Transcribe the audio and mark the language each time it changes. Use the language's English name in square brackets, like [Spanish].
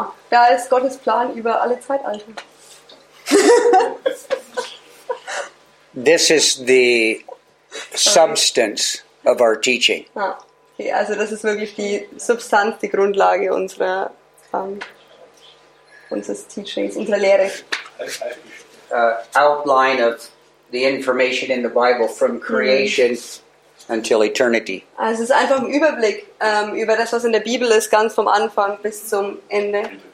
[German] Da ist Gottes Plan über alle Zeitalter. [English] This is the substance of our teaching. [German] Okay, also das ist wirklich die Substanz, die Grundlage unseres Teachings, unserer Lehre. [English] Outline of the information in the Bible from creation until eternity. [German] Also es ist einfach ein Überblick über das, was in der Bibel ist, ganz vom Anfang bis zum Ende.